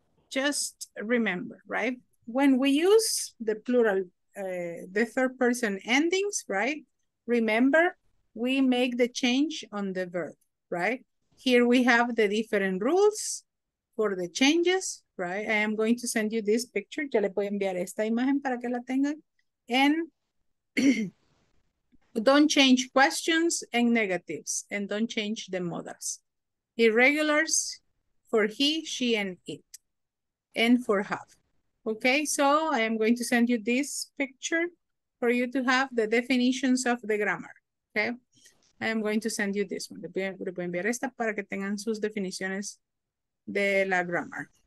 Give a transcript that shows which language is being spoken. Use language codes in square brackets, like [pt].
[en] Just remember, right? When we use the plural, the third person endings, right? Remember, we make the change on the verb, right? Here we have the different rules for the changes, right? I am going to send you this picture. [es] Ya le voy a enviar esta imagen para que la tengan. [en] And don't change questions and negatives. And don't change the modals. Irregulars for he, she, and it. And for have. Okay, so I am going to send you this picture for you to have the definitions of the grammar. Okay, I am going to send you this one. [es] Le voy a enviar esta para que tengan sus definiciones de la grammar.